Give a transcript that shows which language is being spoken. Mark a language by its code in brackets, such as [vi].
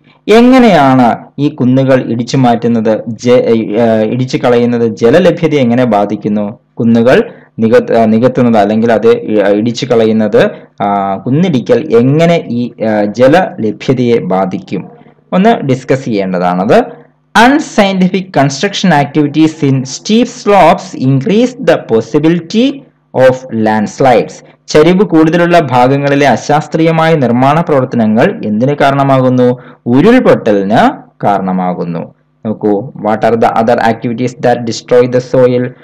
[ml] എങ്ങനെയാണ് ഈ കുന്നുകൾ ഇടിച്ചു മാറ്റുന്നത്, ഇടിച്ചു കളയുന്നത് ജലലഭ്യത എങ്ങനെ ബാധിക്കുന്നു? കുന്നുകൾ നികത്തുന്നത് അല്ലെങ്കിൽ അത് ഇടിച്ചു കളയുന്നത്, കുന്നിടിക്കൽ എങ്ങനെ ഈ ജലലഭ്യതയെ ബാധിക്കും ഒന്ന് discuss ചെയ്യേണ്ടതാണത്. [en] unscientific construction activities in steep slopes increased the possibility of landslides. [ml] ചരിവ് കൂടുതലുള്ള ഭാഗങ്ങളിലെ അശാസ്ത്രീയമായ നിർമ്മാണ പ്രവർത്തനങ്ങൾ എന്തിനു കാരണമാകുന്നു? ഉരുൾപൊട്ടലിന് കാരണമാകുന്നു. നോക്കൂ, [en] What are the other activities that destroy the soil?